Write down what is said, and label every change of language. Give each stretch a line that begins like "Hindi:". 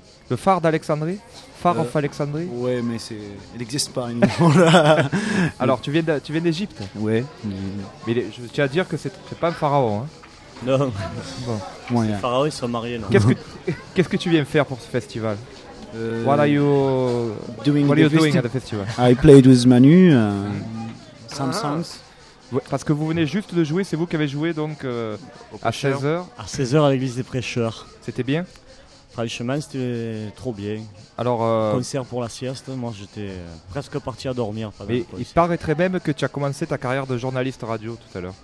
French: Le phare d'Alexandrie ?
English: Phare of Alexandrie ?
French: Ouais, mais c'est... il n'existe pas une... Alors, tu viens d'Égypte ? Ouais. Mais je tiens à dire que c'est pas un pharaon. Hein. Non. Bon. Ouais, les pharaons, ils sont mariés, non ? Qu'est-ce que tu viens faire pour ce festival ?
English: What are you doing at the festival ? I played with Manu, some songs.
French: Parce que vous venez juste de jouer, c'est vous qui avez joué donc à 16h ? À 16h à l'église des prêcheurs. C'était bien ? Franchement, c'était trop bien. Alors, concert pour la sieste, moi j'étais presque parti à dormir. Mais il paraîtrait même que tu as commencé ta carrière de journaliste radio tout à l'heure.